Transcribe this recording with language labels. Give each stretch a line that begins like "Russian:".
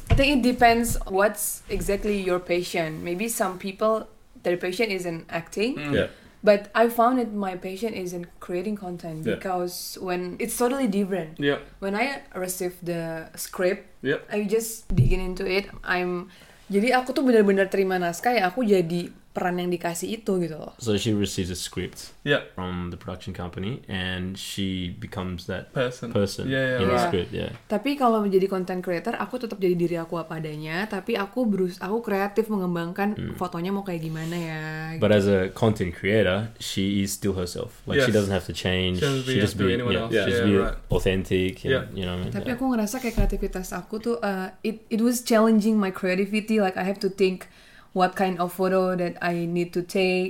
English: I think it depends what's exactly your passion. Maybe some people, their passion is in acting. But I found it, my passion is in creating content, because when it's totally different. When I receive the script, I just dig into it.
Indonesian: Jadi aku tuh benar-benar terima naskah, ya aku jadi peran yang dikasih itu gitu loh.
English: So she receives a script from the production company and she becomes that person in the script. Yeah.
Indonesian: Tapi kalau menjadi content creator, aku tetap jadi diri aku apa adanya, tapi aku kreatif mengembangkan fotonya mau kayak gimana ya.
English: But as a content creator, she is still herself. Like she doesn't have to change. She just be authentic. You know what I mean?
Indonesian: Tapi aku ngerasa kayak kreativitas aku tuh
English: it was challenging my creativity. Like I have to think, what kind of photo that I need to take,